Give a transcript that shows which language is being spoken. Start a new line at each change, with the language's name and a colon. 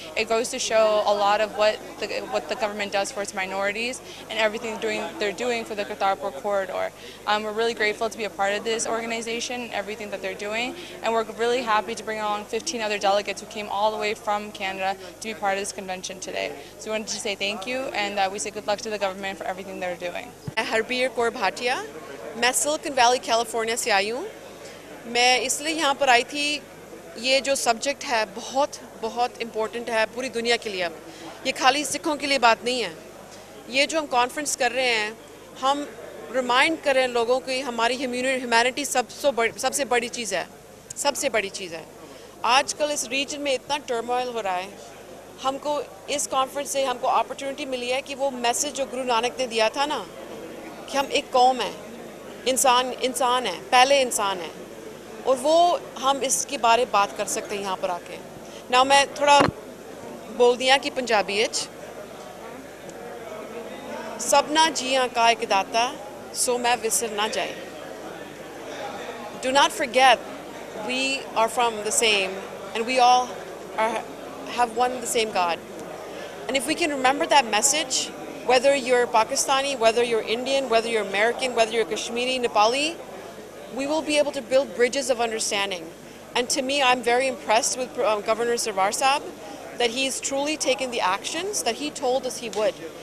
English: It goes to show a lot of what the government does for its minorities and everything they're doing for the Kartarpur corridor. We're really grateful to be a part of this organization and everything that they're doing. And we're really happy to bring along 15 other delegates who came all the way from Canada to be part of this convention today. So we wanted to say thank you and that we say good luck to the government for everything they're doing. Harbir Kaur Bhatia.
Hindi: मैं silicon valley California से आई हूँ. मैं इसलिए यहाँ पर आई थी, ये जो सब्जेक्ट है बहुत बहुत इम्पोर्टेंट है पूरी दुनिया के लिए. अब ये खाली सिखों के लिए बात नहीं है. ये जो हम कॉन्फ्रेंस कर रहे हैं, हम रिमाइंड कर रहे हैं लोगों की हमारी ह्यूमैनिटी सबसे बड़ी चीज़ है. आजकल इस रीजन में इतना टर्मोइल हो रहा है, हमको इस कॉन्फ्रेंस से हमको अपॉर्चुनिटी मिली है कि वो मैसेज जो गुरु नानक ने दिया था ना, कि हम एक कौम है, इंसान है, पहले इंसान है, और वो हम इसके बारे बात कर सकते हैं यहाँ पर आके. नाउ मैं थोड़ा बोल दिया कि पंजाबी च,
Punjabi: सबना जिया का एक दाता सो मैं विसर ना जाए.
English: Do not forget we are from the same and we all have one the same God. And if we can remember that message, whether you're Pakistani, whether you're Indian, whether you're American, whether you're Kashmiri, Nepali, we will be able to build bridges of understanding. And to me, I'm very impressed with Governor Sarwar Saab, that he's truly taken the actions that he told us he would.